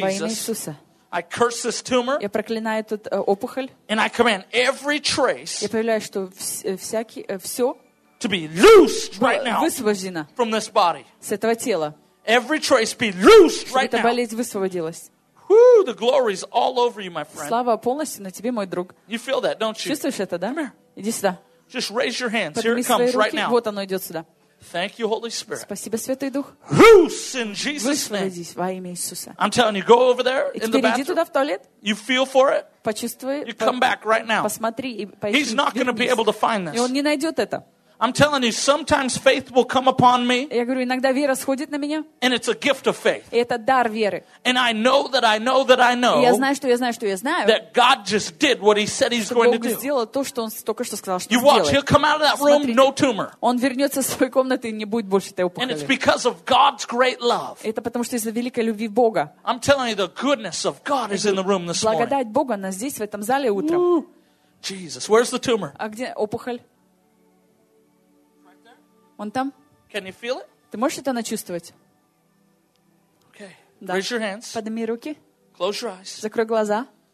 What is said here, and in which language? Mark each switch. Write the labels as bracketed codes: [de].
[ru] Во имя Иисуса. [en] I curse this tumor. [ru] Я проклинаю этот опухоль. [en] And I command every trace. [ru] Я повелеваю, что всё [en] to be loosed right now. [ru] Высвобождено. [en] From this body. [ru] С этого тела. [en] Every trace be loosed right now. [ru] Эта болезнь высвободилась. [en] Whoo, the glory is all over you, my friend. [ru] Слава полностью на тебе, мой друг. [en] You feel that, don't you? [ru] Чувствуешь это, да? [en] Come here. [ru] Иди сюда. [en] Just raise your hands. Here it comes right now. [ru] Вот оно идёт сюда. [en] Thank you, Holy Spirit. [ru] Спасибо, Святой Дух. [en] Loose in Jesus' name. [ru] Высвободись во имя Иисуса. [en] I'm telling you, go over there in the bathroom. [ru] Иди туда в туалет. [en] You feel for it. [ru] Почувствуй. [en] You come back right now. [ru] Посмотри и [en] He's not going to be able to find this. [ru] И он не найдет это. [en] I'm telling you, sometimes faith will come upon me. [ru] Я говорю, иногда вера сходит на меня. [en] And it's a gift of faith. [ru] И это дар веры. [en] And I know that I know that I know. [ru] Я знаю, что я знаю, что я знаю. [en] That God just did what He said He's going to do. [ru] Бог сделал то, что Он только что сказал, что сделает. [en] You watch, He'll come out of that room, no tumor. [ru] Он вернется в свою комнату и не будет больше этой опухоли. [en] And it's because of God's great love. [ru] Это потому что из-за великой любви Бога. [en] I'm telling you, the goodness of God is in the room this morning. [ru] Благодать Бога нас здесь в этом зале утром. [en] Jesus, where's the tumor? [ru] А где опухоль? Он там? [en] Can you feel it? [ru] Ты можешь это начувствовать? [en] Okay. [ru] Да. [en] Raise your hands. [ru] Подними руки. [en] Close your eyes. [ru] Закрой глаза.